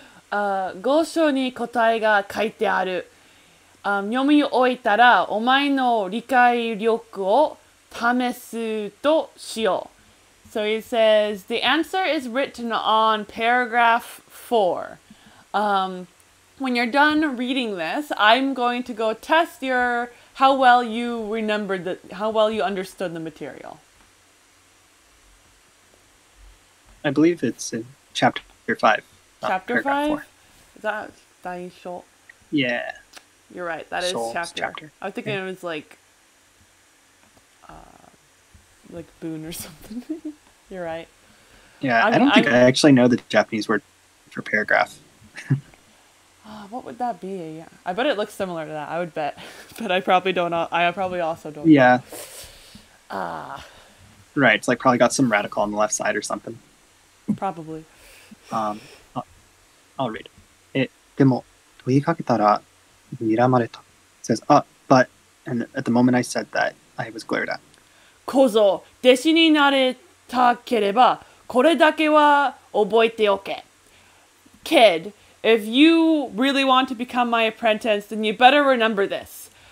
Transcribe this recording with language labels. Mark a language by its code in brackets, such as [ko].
[ja] 5章に答えが書いてある。読み終えたらお前の理解力を試すとしよう。 [en] So he says, the answer is written on paragraph 4. When you're done reading this, I'm going to go test how well you understood the material. I believe it's in chapter 5. Chapter 5? Is that 第一章? Yeah. You're right. That is chapter. I was thinking it was like Boone or something. You're right. Yeah, I actually know the Japanese word for paragraph. what would that be? Yeah. I bet it looks similar to that. I would bet. But I probably don't. I probably also don't. Yeah. Know. Right. It's like probably got some radical on the left side or something. Probably. I'll read. [ja] でも問いかけたら睨まれた。 [en] Says, but, and at the moment I said that, I was glared at. [ja] 小僧、弟子になれたければ、これだけは覚えておけ。 [en] Kid, if you really want to become my apprentice, then you better remember this.